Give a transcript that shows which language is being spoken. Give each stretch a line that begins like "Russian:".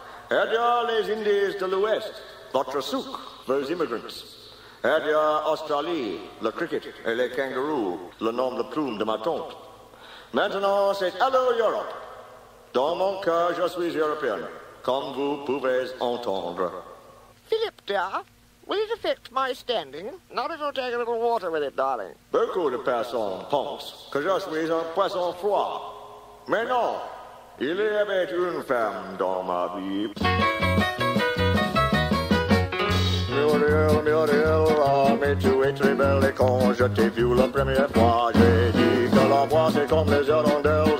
French: Adieu, les Indies de l'Ouest, votre souk, vos immigrants. Adieu, Australie, le cricket et les kangaroos, le nom de plume de ma tante. Maintenant, c'est
English: Hello Europe.
French: Dans mon cœur, je suis européen, comme vous pouvez entendre.
English: Philippe, dear, will it affect my standing? Not if you'll take a little water with it, darling.
French: Beaucoup de personnes pensent que je suis un poisson froid. Mais non, il y avait une femme dans ma vie. Muriel, Muriel, mais tu es très belle. Et quand je t'ai vu la première fois, j'ai dit que la voix c'est comme les hirondelles.